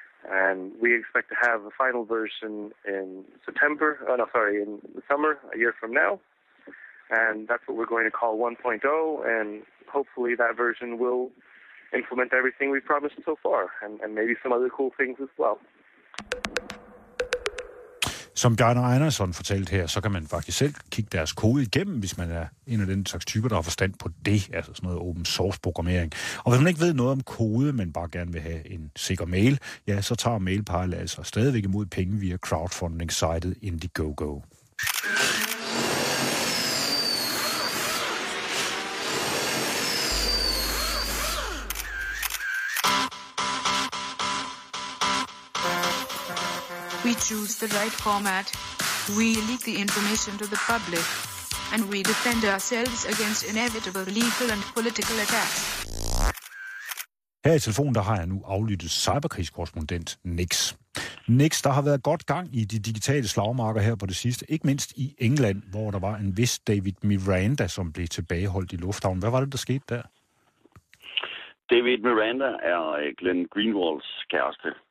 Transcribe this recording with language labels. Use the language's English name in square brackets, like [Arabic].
[English] And we expect to have a final version in in the summer, a year from now. And that's what we're going to call 1.0, and hopefully that version will implement everything we've promised so far, and maybe some other cool things as well. [Danish] Som Bjarne Einarsson fortalte her, så kan man faktisk selv kigge deres kode igennem, hvis man er en af den slags typer, der har forstand på det, altså sådan noget open source programmering. Og hvis man ikke ved noget om kode, men bare gerne vil have en sikker mail, ja, så tager MailPilot altså stadigvæk imod penge via crowdfunding-sitet Indiegogo. [English] We choose the right format, we leak the information to the public, and we defend ourselves against inevitable legal and political attacks. [Danish] Her i telefonen, der har jeg nu aflyttet cyberkrigskorrespondent Nix. Nix, der har været godt gang i de digitale slagmarker her på det sidste, ikke mindst i England, hvor der var en vis David Miranda, som blev tilbageholdt i lufthavnen. Hvad var det, der skete der? David Miranda er Glenn Greenwalds kæreste.